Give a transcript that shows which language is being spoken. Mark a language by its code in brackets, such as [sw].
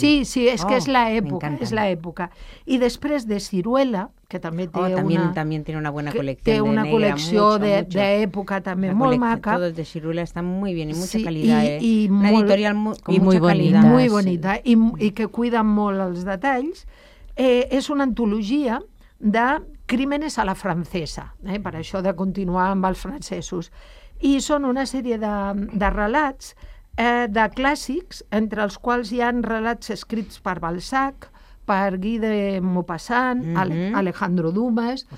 [ca] Sí, sí, és que és la època, és la època. I després de Ciruela, que també té també té una bona col·lecció. Té una col·lecció de època també molt maca. [es] Todos de Ciruela estan muy bien y mucha calidad, eh. Una editorial muy bonita, muy bonita [ca] i que cuida molt els detalls. És una antologia de crímenes a la francesa, per això de continuar amb els francesos. I són una sèrie de relats, de clàssics, entre els quals hi ha relats escrits per Balzac, per Guy de Maupassant, Alejandro Dumas...